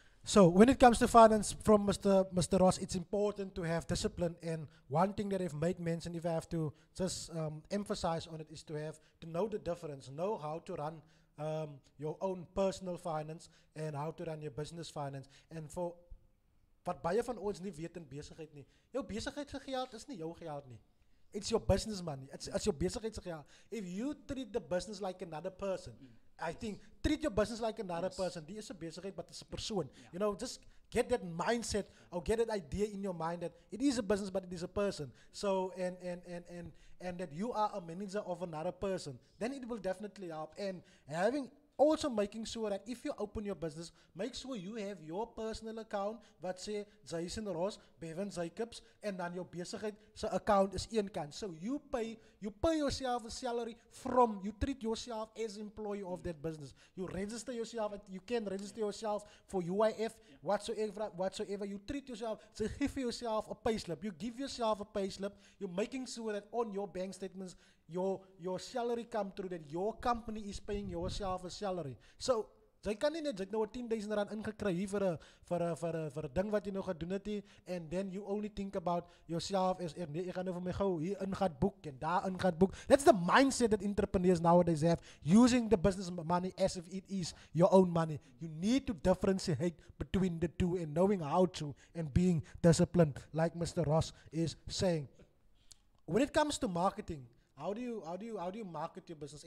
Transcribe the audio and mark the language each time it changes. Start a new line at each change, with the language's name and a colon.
English: So when it comes to finance from Mr. Ross, it's important to have discipline. And one thing that I've made mention, if I have to just emphasize on it, is to know the difference, know how to run your own personal finance and how to run your business finance. And for
Afrikaans: wat baie van ons nie weet in besigheid nie, jou besigheid se geld is nie jou geld nie.
English: It's your business money. It's your
Afrikaans: besigheid se geld.
English: If you treat the business like another person, I think treat your business like another person.
Afrikaans: Die is 'n besigheid,
English: but it's a persoon. Yeah. You know, just get that mindset or get that idea in your mind that it is a business, but it is a person. So and that you are a manager of another person, then it will definitely help. And having also making sure that if you open your business, make sure you have your personal account, wat sê Jason Ross, Bevan Jacobs, and then your
Afrikaans: besigheid se account is een kant.
English: So you pay yourself a salary from, you treat yourself as employee of that business. You register yourself, you can register yourself for UIF, whatsoever. You treat yourself, so give yourself a payslip. You give yourself a payslip, you're making sure that on your bank statements, your salary come through, that your company is paying yourself a salary.
Afrikaans: So jy kan nie net jy nou 10 duisend rand ingekry hier vir 'n ding wat jy nou gedoen het,
English: and then you only think about yourself as
Afrikaans: nee, ek gaan nou vir my gou hier ingaat boek en daar ingaat boek.
English: That's the mindset that entrepreneurs nowadays have, using the business money as if it is your own money. You need to differentiate between the two and knowing how to and being disciplined, like Mr. Ross is saying. When it comes to marketing, How do you market your business?